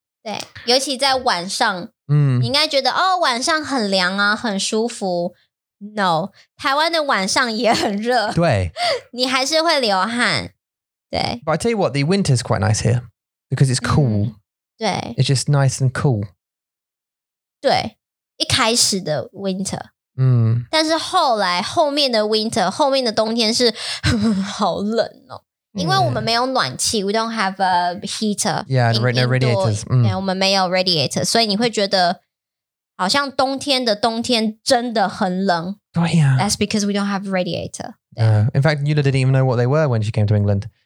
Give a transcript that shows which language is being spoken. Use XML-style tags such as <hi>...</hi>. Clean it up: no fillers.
<zh>对, 尤其在晚上, 你应该觉得, 哦, 晚上很凉啊, 很舒服。 No, 台湾的晚上也很热。对，你还是会流汗。对。</zh> <en>But I tell you what, the winter is quite nice here because it's cool. 对。It's just nice and cool.</en> <zh>对，一开始的 winter. 但是后来后面的 winter, 后面的冬天是好冷哦，因为我们没有暖气.</zh> <en>We don't have a heater. Yeah, no radiators.</en> <zh>对，我们没有 radiator, 所以你会觉得。好像冬天的冬天真的很冷.</zh> <en>Oh, yeah. That's because we don't have a radiator. In fact, Yula didn't even know what they were when she came to England.</en>